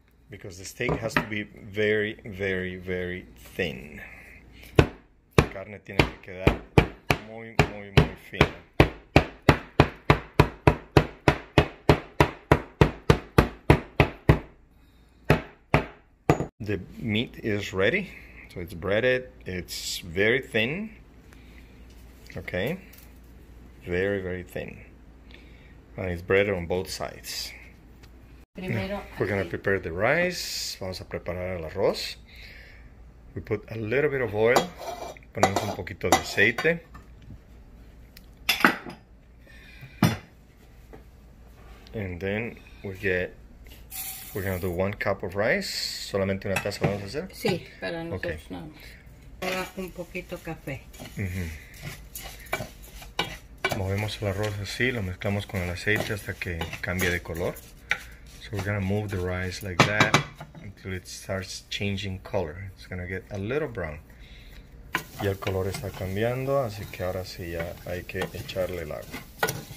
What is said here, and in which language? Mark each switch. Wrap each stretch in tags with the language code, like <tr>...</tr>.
<en>Because the steak has to be very, very, very thin.</en> <es>La carne tiene que quedar muy, muy, muy fina.</es> <en>The meat is ready, so it's breaded, it's very thin, okay, very, very thin, and it's breaded on both sides.</en> <es>Primero,</es> <en>we're gonna prepare the rice,</en> <es>vamos a preparar el arroz.</es> <en>We put a little bit of oil,</en> <es>ponemos un poquito de aceite.</es> <en>And then we're gonna do 1 cup of rice.</en> <es>Solamente una taza vamos a hacer? Sí, para nosotros okay. No. Un poquito de café. Movemos el arroz así, lo mezclamos con el aceite hasta que cambie de color.</es> <en>So we're gonna move the rice like that until it starts changing color. It's gonna get a little brown.</en> <es>Y el color está cambiando, así que ahora sí ya hay que echarle el agua.</es>